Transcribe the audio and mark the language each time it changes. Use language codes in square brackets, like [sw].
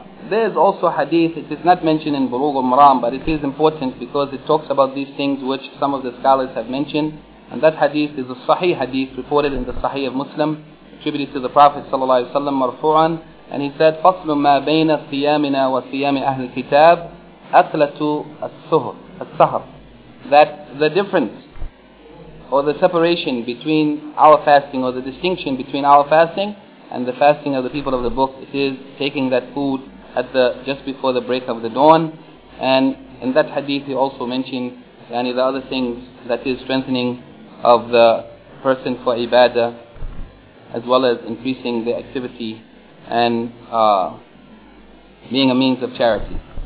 [en] There is also hadith, it is not mentioned in Bulugh al-Maram, but it is important because it talks about these things which some of the scholars have mentioned. And that hadith is a sahih hadith reported in the Sahih of Muslim, attributed to the Prophet sallallahu alaihi wasallam marfu'an. [ar] And he said, فَصْلُ مَا بَيْنَ صِيَامِنَا وَصِيَامِ أَهْلِ الْكِتَابِ أَقْلَةُ السُّهْرِ. [en] That the difference or the separation between our fasting, or the distinction between our fasting and the fasting of the people of the book, it is taking that food just before the break of the dawn. And in that hadith he also mentioned the other things, that is strengthening of the person for ibadah, as well as increasing the activity and being a means of charity.